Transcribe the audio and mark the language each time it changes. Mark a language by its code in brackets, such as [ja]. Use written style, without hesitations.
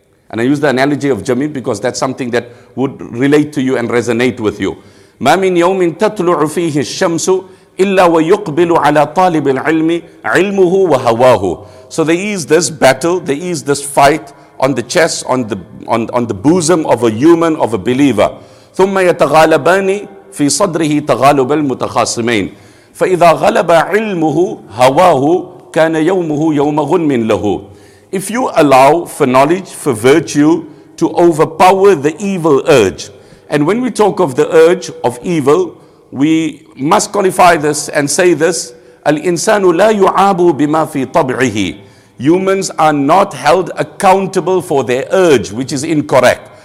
[en] And I use the analogy of jumping because that's something that would relate to you and resonate with you. [ar] مَا مِنْ يَوْمٍ تَطْلُعُ فِيهِ الشَّمْسُ إِلَّا وَيُقْبِلُ عَلَىٰ طَالِبِ الْعِلْمِ عِلْمُهُ وَهَوَاهُ. [en] So there is this battle, there is this fight on the chest, on the bosom of a human, of a believer. [ar] ثُمَّ يَتَغَالَبَانِ في صدره تغالب المتخاصمين فإذا غلب علمه هواه كان يومه يوم غنم له. [en] If you allow for knowledge, for virtue to overpower the evil urge, and when we talk of the urge of evil, we must qualify this and say this, [ar] الإنسان لا يعاب بما في طبعه. [en] Humans are not held accountable for their urge, which is incorrect.